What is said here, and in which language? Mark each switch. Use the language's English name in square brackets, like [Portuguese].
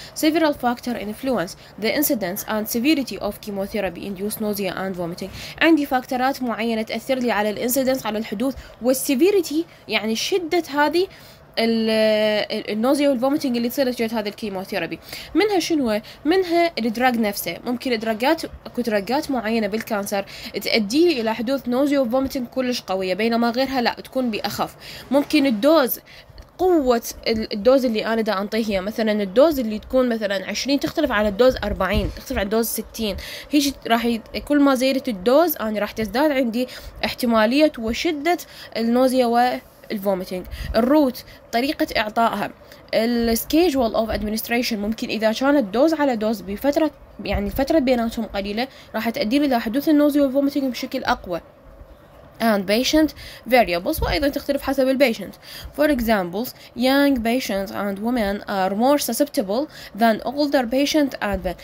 [English] Several factors influence the incidence and severity of chemotherapy induced nausea and vomiting. [Arabic] عندي فاكتورات معينة تأثر لي على الانسيدنس، على الحدوث، والسيفيريتي يعني شدة هذه النوزيا والفوميتنج اللي تصير نتيجة هذا الكيموثيرابي. منها شنو؟ منها الدراج نفسه، ممكن الدراجات اكو دراجات معينة بالكانسر تؤدي الى حدوث نوزيا وفوميتنج كلش قوية، بينما غيرها لا تكون باخف. ممكن الدوز، قوة الدوز اللي انا دا انطيه هي مثلا الدوز اللي تكون مثلا 20 تختلف عن الدوز 40، تختلف عن الدوز 60، هيج راح كل ما زادت الدوز انا راح تزداد عندي احتمالية وشدة النوزيا و الفوميتنج. الروت، طريقة إعطائها، السكيجول أوف أدمينستريشن، ممكن إذا كانت دوز على دوز بفترة يعني الفترة بيناتهم قليلة راح تؤدي إلى حدوث النوزي والفوميتنج بشكل أقوى. [English] and patient variables [Arabic] وأيضا تختلف حسب ال patient. [English] For examples, young patients and women are more susceptible than older patients and men.